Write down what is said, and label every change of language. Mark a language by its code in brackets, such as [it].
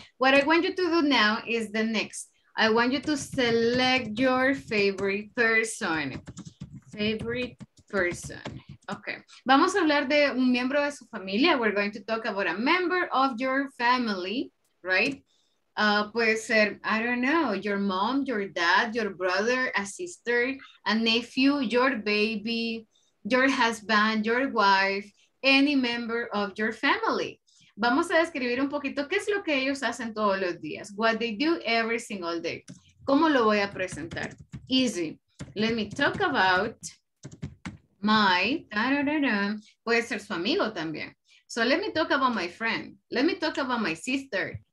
[en] What I want you to do now is the next. I want you to select your favorite person. Favorite person. [es] Okay, vamos a hablar de un miembro de su familia. [en] We're going to talk about a member of your family, right? [es] Puede ser, [en] I don't know, your mom, your dad, your brother, a sister, a nephew, your baby, your husband, your wife, any member of your family. [es] Vamos a describir un poquito qué es lo que ellos hacen todos los días. [en] What they do every single day. [es] ¿Cómo lo voy a presentar? [en] Easy. Let me talk about... My, [es] puede ser su amigo también. [en] So let me talk about my friend. Let me talk about my sister.